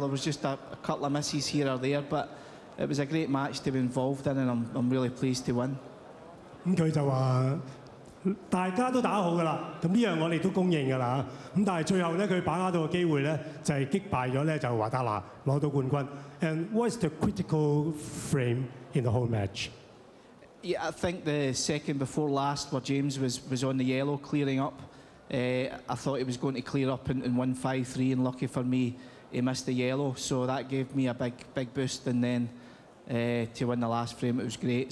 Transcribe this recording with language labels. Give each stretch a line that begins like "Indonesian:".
English: There was just a couple of misses here or there, but it was a great match to be involved in, and I'm really pleased to win.
Cantonese: 咁佢就話大家都打好㗎啦，咁呢樣我哋都公認㗎啦。咁但係最後咧，佢把握到個機會咧，就係擊敗咗咧就華達拿攞到冠軍。
English: And what's the critical frame in the whole match? Yeah, I think the second before last, where James was on the yellow clearing up, I thought he was going to clear up and win 5-3, and lucky for me. He missed the yellow, so that gave me a big boost, and then to win the last frame, it was great.